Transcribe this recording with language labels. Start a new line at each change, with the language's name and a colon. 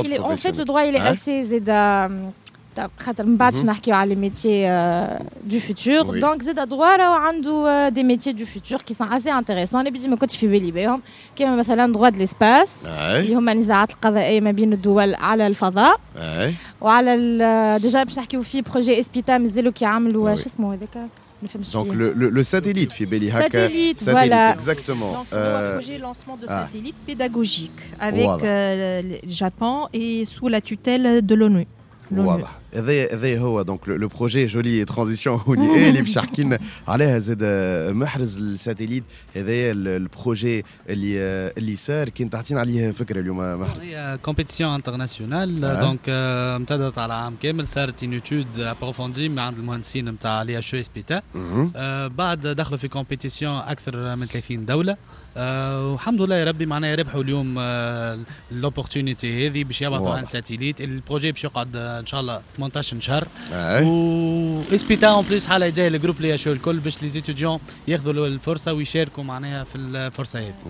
French: il est en fait le droit il est assez
Arabic: خاطر من بعدش نحكيو على الميتيي دو فيتور دونك زيد الدروا راهو عنده دي ميتيي دو فيتور كي سون اسي انتريسون اللي بيجي ما كنتش في بالي بيهم كيما مثلا دروا دو ليسباس اللي هما النزاعات القضائيه ما بين الدول على الفضاء وعلى ديجا باش نحكيو في بروجي اسبيتا مازالو كيعملوا شو اسمه هذاك
French: Donc le satellite
Arabic: في بالي هكا
French: satellite voilà exactement donc projet lancement de satellite pédagogique avec le Japon et sous la tutelle de l'ONU
Arabic: هذا هو دونك لو بروجي جولي ترانزيسيون هوني اللي باش نحكي لنا عليها زاد محرز الساتيليت هذايا البروجي اللي صار كنت تعطينا عليه فكره اليوم محرز هي كومبيتيسيون انترناسيونال دونك امتدت على عام كامل صارت انيتود ابروفوندي مع عند المهندسين نتاع لي اش اس بي تا بعد دخلوا في كومبيتيسيون اكثر من 30 دوله والحمد لله يا ربي معنا يربحوا اليوم الاوبورتونيتي هذه باش يبعثوا عن ساتيليت البروجي باش يقعد ان شاء الله 18 شهر و اسبيتا اون بليس على يديه الجروب اللي يشوف الكل باش لي ستوديون ياخذوا الفرصه ويشاركوا معناها في الفرصه هذه